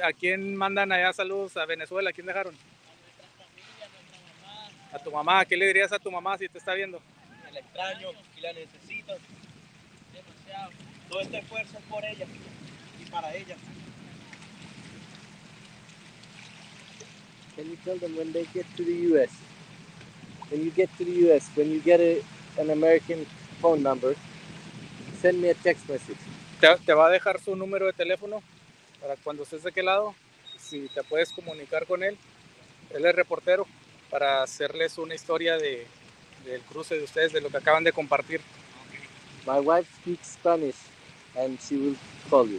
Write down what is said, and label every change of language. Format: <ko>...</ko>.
<es>¿A quién mandan allá saludos a Venezuela? ¿A quién dejaron? A nuestra familia, a nuestra mamá. ¿A tu mamá? ¿Qué le dirías a tu mamá si te está viendo? La extraño y la necesito demasiado. Todo este esfuerzo es por ella y para ella.</es> <en>Can you tell them when they get to the U.S.? When you get to the U.S., when you get an American phone number, send me a text message.</en> <es>¿Te va a dejar su número de teléfono para cuando estés de aquel lado, si te puedes comunicar con él? Él es reportero, para hacerles una historia del cruce de ustedes, de lo que acaban de compartir.</es> <en>My wife speaks Spanish and she will call you.</en>